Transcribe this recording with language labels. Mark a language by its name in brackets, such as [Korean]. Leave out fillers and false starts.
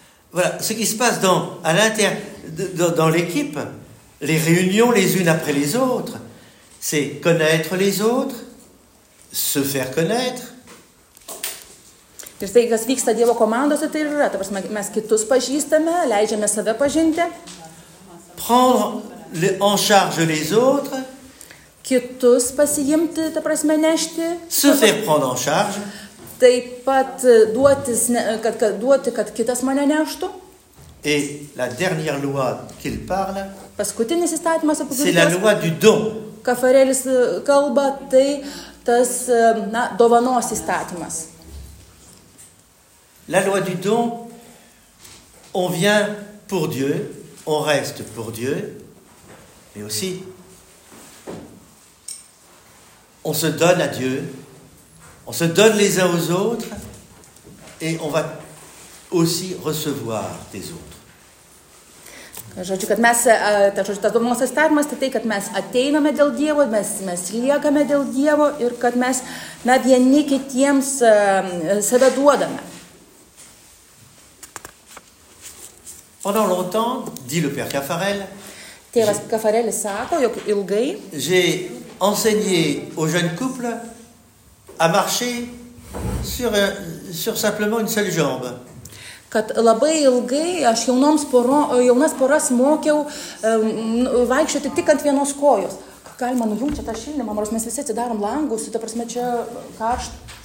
[French] Voilà, ce qui se passe dans à l'intérieur dans l'équipe, les réunions les unes après les autres, c'est connaître les autres, se faire connaître, [Lithuanian] Ir tai, kas vyksta Dievo komandose, tai yra. Ta prasme, mes kitus pažįstame, leidžiame save pažinti. [French] Prendre les, en charge les autres. [Lithuanian] Kitus pasiimti, ta prasme, nešti. [French] Se faire prendre en charge. [Lithuanian] Taip pat duotis, kad kitas mane neštų. [French] Et la dernière loi qu'il parle. [Lithuanian] Paskutinis įstatymas apie kurį. [French] C'est la loi du don. [Lithuanian] Kafarelis kalba, tai tas, na, dovanos įstatymas. [French] La loi du don, on vient pour Dieu, on reste pour Dieu, mais aussi on se donne à Dieu, on se donne les uns aux autres et on va aussi recevoir des autres. [Lithuanian] Žodžiu, kad mes, tas domos įstatymas, tai, kad mes ateiname dėl Dievo, mes liekame dėl Dievo ir kad mes na, vieni kitiems save duodame. [French] Pendant longtemps, dit le père Caffarel, [Lithuanian] Tėvas Caffarelis sako, jog ilgai, [French] j'ai enseigné aux jeunes couples à marcher sur simplement une seule jambe. [Lithuanian] Kad labai ilgai aš jaunas poras mokiau vaikščioti tik ant vienos kojos. Galima nujungti tą šildymą, nors mes visi atsidarom langus, tai ta prasme čia karšt.